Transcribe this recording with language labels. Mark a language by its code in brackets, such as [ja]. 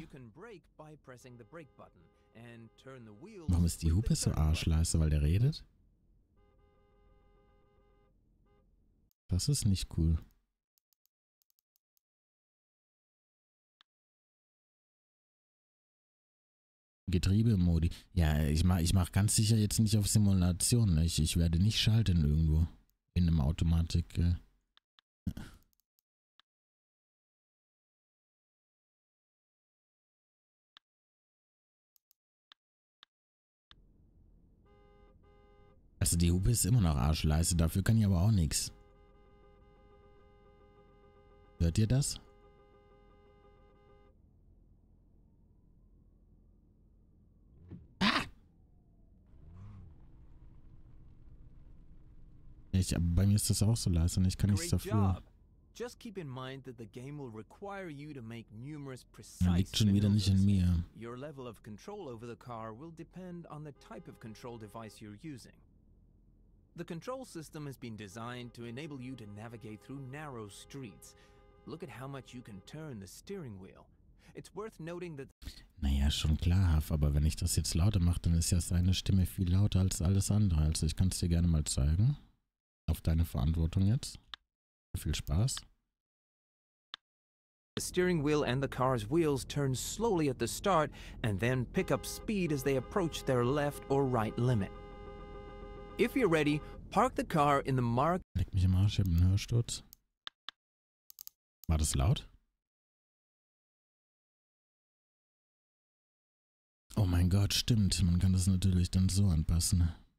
[en] You can brake by pressing the brake button and turn the wheel. [de] Warum ist die Hupe so arschleise, weil der redet? Das ist nicht cool. Getriebemodi. Ja, ich mach ganz sicher jetzt nicht auf Simulation, ne? Ich werde nicht schalten irgendwo. In einem Automatik. Also die Hupe ist immer noch arschleise, dafür kann ich aber auch nichts. Hört ihr das? Ich, bei mir ist das auch so leise, ich kann nichts dafür. [en] Just keep in mind that the game will require you to make numerous precise. [de] Ja, liegt schon wieder nicht in mir. [en] Your level of control over the car will depend on the type of control device you're using. The control system has been designed to enable you to navigate through narrow streets. Look at how much you can turn the steering wheel. It's worth noting that. [de] Naja, schon klar, Haff, aber wenn ich das jetzt lauter mache, dann ist ja seine Stimme viel lauter als alles andere. Also ich kann es dir gerne mal zeigen. Auf deine Verantwortung jetzt. Viel Spaß. [en] The steering wheel and the car's wheels turn slowly at the start and then pick up speed as they approach their left or right limit. If you're ready, park the car in the mark. [de] Leck mich im Arsch, ich hab einen Hörsturz. War das laut? Oh mein Gott, stimmt. Man kann das natürlich dann so anpassen.